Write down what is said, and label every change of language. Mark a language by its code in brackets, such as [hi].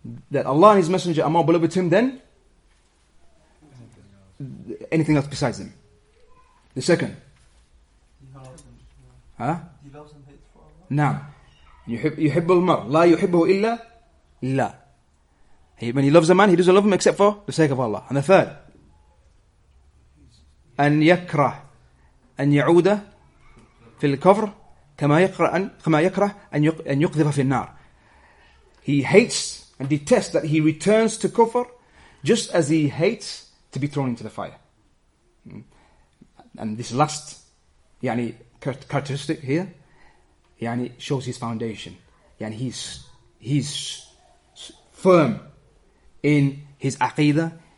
[en] That Allah and His Messenger are more beloved to him than anything else besides them. The second, He loves and hates for Allah. [ar] نعم. يحب المرء لا يحبه إلا لا. [en] He, when he loves a man, he doesn't love him except for the sake of Allah. And the third, [ar] أن يكره أن يعود في الكفر كما يكره أن يقذف في النار. [en] He hates and detests that he returns to kufr just as he hates to be thrown into the fire. And this last يعني characteristic here يعني shows his foundation. يعني he's firm in his aqidah.